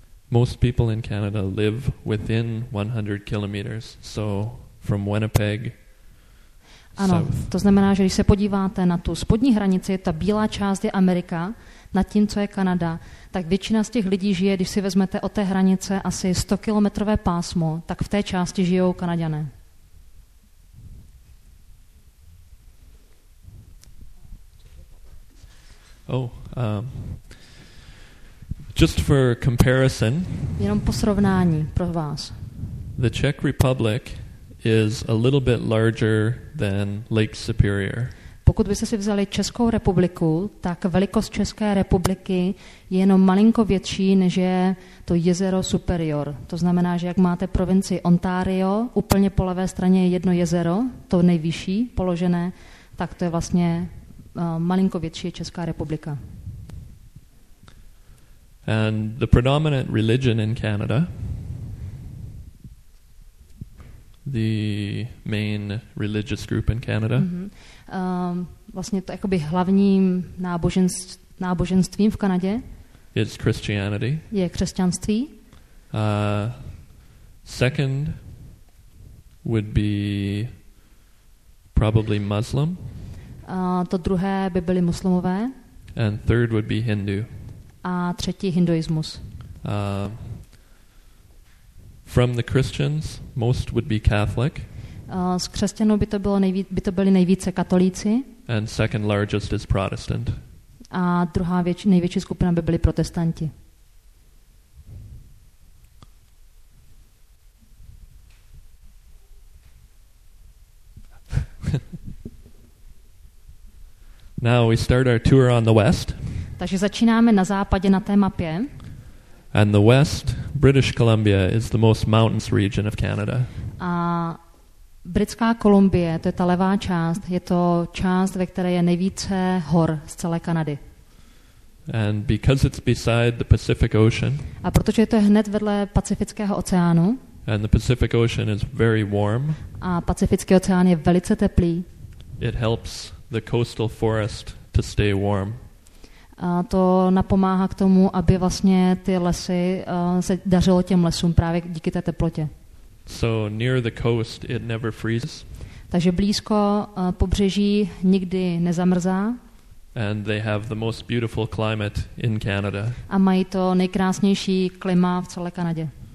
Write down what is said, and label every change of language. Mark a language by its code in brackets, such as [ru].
[en] Most people in Canada live within 100 kilometers, so from Winnipeg. [cs] Ano, [en] south. [cs] To znamená, že když se podíváte na tu spodní hranici, ta bílá část je Amerika, nad tím, co je Kanada, tak většina z těch lidí žije, když si vezmete od té hranice asi 100-kilometrové pásmo, tak v té části žijou Kanaďané. [en] Oh, just for comparison. [cs] Jenom po srovnání pro vás. [en] The Czech Republic is a little bit larger than Lake Superior. [cs] Po Pokud byste si vzali Českou republiku, tak velikost České republiky je jenom malinko větší, než je to jezero Superior. To znamená, že jak máte provincii Ontario, úplně po levé straně je jedno jezero, to nejvyšší položené, tak to je vlastně malinko větší Česká republika. [en] And the predominant religion in Canada, the main religious group in Canada. Mm-hmm. [cs] Vlastně to jakoby hlavním náboženstvím v Kanadě. [en] It's Christianity. [cs] Je křesťanství. [en] Second would be probably Muslim. [cs] To druhé by byly muslimové. [en] And third would be Hindu. [cs] A třetí hinduismus. [en] From the Christians, most would be Catholic. [cs] Z křesťanů by to byli nejvíce katolíci. [en] And second largest is Protestant. [cs] A druhá největší skupina by byli protestanti. [en] Now we start our tour on the west. [cs] Takže začínáme na západě na té mapě. [en] And the west, British Columbia, is the most mountainous region of Canada. [cs] A Britská Kolumbie, to je ta levá část, je to část, ve které je nejvíce hor z celé Kanady. [en] And because it's beside the Pacific Ocean. [cs] A protože to je hned vedle Pacifického oceánu. [en] And the Pacific Ocean is very warm. [cs] A Pacifický oceán je velice teplý. [en] It helps the coastal forest to stay warm. [cs] A to napomáhá k tomu, aby vlastně ty lesy se dařilo těm lesům právě díky té teplotě. [en] So near the coast it never freezes. [cs] Takže blízko pobřeží nikdy nezamrzá. [en] And they have the most beautiful climate in Canada. [cs] A mají to nejkrásnější klima v celé Kanadě.